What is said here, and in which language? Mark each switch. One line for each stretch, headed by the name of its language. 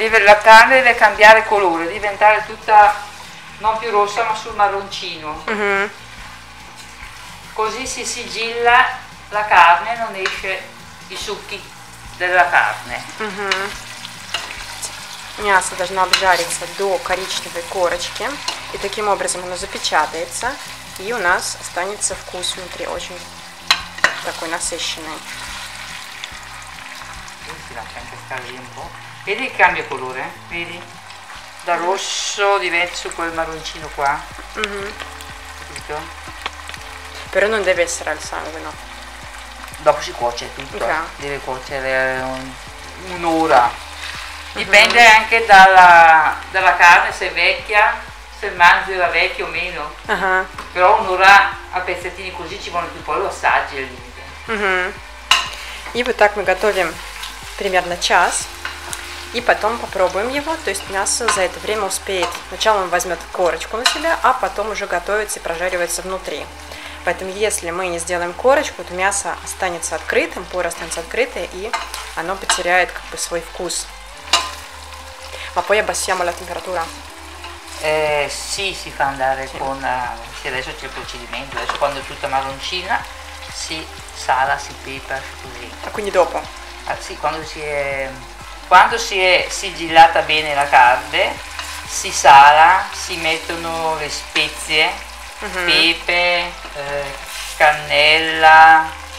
Italian: La carne deve cambiare colore, diventare tutta non più rossa ma sul marroncino. Così si sigilla la carne, non esce i succhi della carne.
Russian: Мясо должно обжариться до коричневой корочки, и таким образом оно запечатается, и у нас останется вкус внутри очень такой насыщенный.
Italian: Vedi il cambio colore? Vedi? Da rosso diverso quel marroncino qua. Capito? Però non deve essere al sangue, no? Dopo si cuoce tutto, okay. Deve cuocere un'ora. Dipende anche dalla carne, se è vecchia, se mangi la vecchia o meno. Però un'ora a pezzettini così ci vuole più, poi lo assaggi al limite.
Russian: И вот так мы готовим примерно час. И потом попробуем его, то есть мясо за это время успеет. Сначала он возьмет корочку на себя, а потом уже готовится и прожаривается внутри. Поэтому если мы не сделаем корочку, то мясо останется открытым, поры останутся открытые, и оно потеряет как бы свой вкус.
Italian: Ma poi abbassiamo la temperatura. Sì, si fa andare sì. Con... Sì, adesso c'è il procedimento, adesso quando è tutta marroncina, si sala, si pepa, così. E quindi dopo? Sì, quando si è sigillata bene la carne, si sala, si mettono le spezie, pepe, cannella,